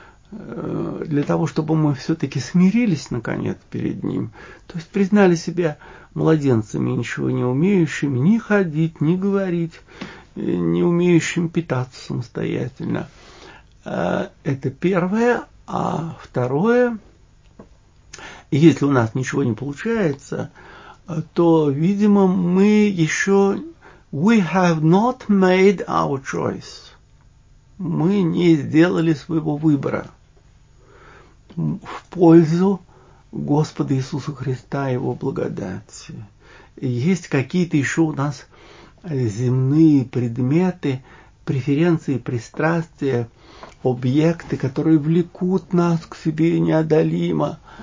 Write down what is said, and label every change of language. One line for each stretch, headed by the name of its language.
Russian: для того, чтобы мы все-таки смирились, наконец, перед Ним, то есть признали себя младенцами, ничего не умеющими, ни ходить, ни говорить, не умеющим питаться самостоятельно. Это первое. А второе, если у нас ничего не получается, то, видимо, мы еще...
English: We have not made our choice.
Russian: Мы не сделали своего выбора в пользу Господа Иисуса Христа и Его благодати. Есть какие-то еще у нас земные предметы, преференции, пристрастия, объекты, которые влекут нас к себе неодолимо.